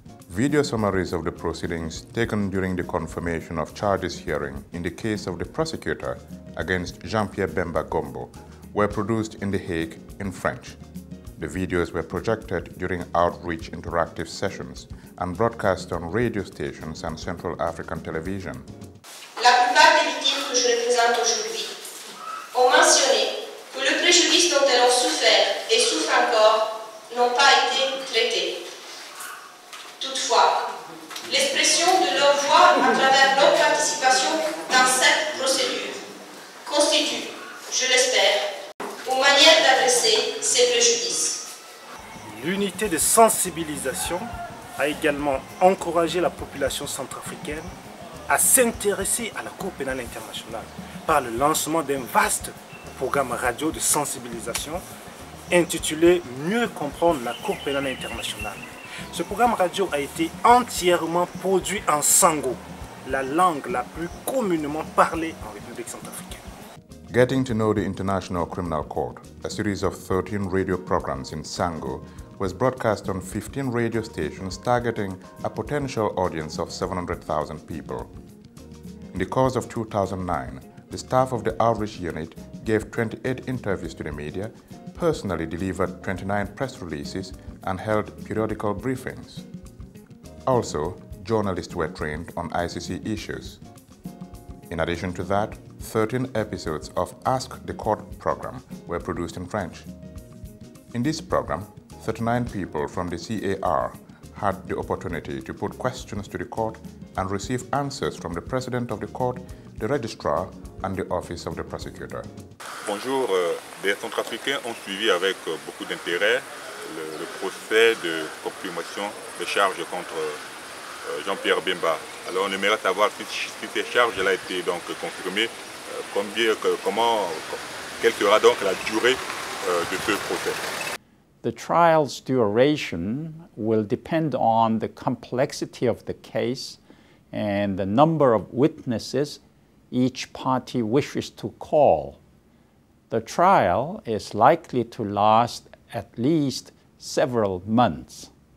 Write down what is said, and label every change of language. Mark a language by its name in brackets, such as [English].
[English] Video summaries of the proceedings taken during the confirmation of charges hearing in the case of the prosecutor against Jean-Pierre Bemba Gombo were produced in The Hague in French. The videos were projected during outreach interactive sessions and broadcast on radio stations and Central African television. [French] La plupart des victimes que je présente aujourd'hui ont mentionné que le préjudice dont elles ont souffert et souffrent encore n'ont pas été traités. Toutefois, l'expression de leur voix à travers leur participation dans cette procédure constitue, je l'espère, une manière d'adresser ces préjudices. L'unité de sensibilisation a également encouragé la population centrafricaine à s'intéresser à la Cour pénale internationale par le lancement d'un vaste programme radio de sensibilisation intitulé « Mieux comprendre la Cour pénale internationale ». Ce programme radio a été entièrement produit en Sango, la langue la plus communément parlée en République centrafricaine. [English] Getting to know the International Criminal Court, a series of 13 radio programs in Sango, was broadcast on 15 radio stations targeting a potential audience of 700,000 people. In the course of 2009, the staff of the outreach unit gave 28 interviews to the media, personally delivered 29 press releases, and held periodical briefings. Also, journalists were trained on ICC issues. In addition to that, 13 episodes of Ask the Court program were produced in French. In this program, 39 people from the CAR had the opportunity to put questions to the court and receive answers from the president of the court, the registrar, and the office of the prosecutor. [French] Bonjour, les Centrafricains ont suivi avec beaucoup d'intérêt le procès de confirmation de charges contre Jean-Pierre Bemba. Alors on aimerait savoir si ces charges ont été donc confirmées, quelle sera donc la durée de ce procès. [English] The trial's duration will depend on the complexity of the case and the number of witnesses each party wishes to call. The trial is likely to last at least several months.